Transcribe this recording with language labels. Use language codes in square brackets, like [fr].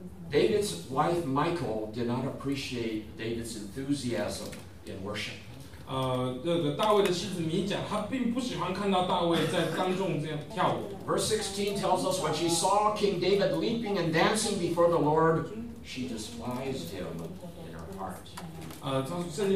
[en] David's wife Michal did not appreciate David's enthusiasm in worship. [zh] 大卫的妻子米甲，她并不喜欢看到大卫在当众这样跳舞。 [en] Verse 16 tells us when she saw King David leaping and dancing before the Lord, she despised him in her heart.